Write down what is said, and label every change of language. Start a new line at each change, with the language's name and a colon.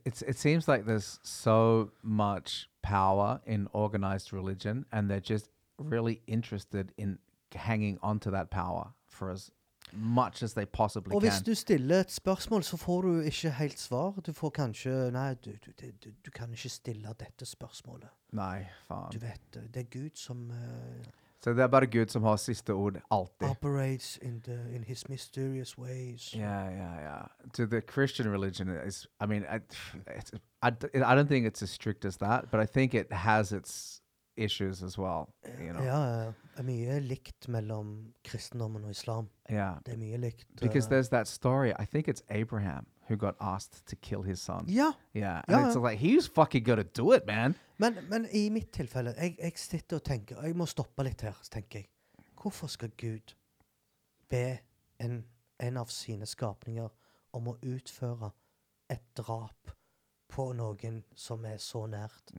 English: It seems like there's so much power in organized religion, and they're just really interested in hanging on to that power for us. Much as they possibly can.
Norwegian: Og hvis du stiller et spørsmål, så får du ikke helt svar. Du får kanskje, nei, du kan ikke stille dette spørsmålet. Nei, faen. Du vet, det Gud som... Så det bare Gud som har siste ord alltid.
English: Operates in his mysterious ways. Yeah, yeah, yeah. To the Christian religion is, I mean, I don't think it's as strict as that, but I think it has its issues as well, you know.
Norwegian: Yeah, det mye likt mellom kristendommen og islam.
English: Yeah.
Norwegian: Det mye likt.
English: Because there's that story, I think it's Abraham who got asked to kill his son. Yeah. Yeah. And yeah. It's like, he's fucking gonna do it, man.
Norwegian: Men I mitt tilfelle, jeg sitter og tenker, jeg må stoppe litt her, så tenker jeg, hvorfor skal Gud be en av sine skapninger om å utføre et drap på noen som så nært?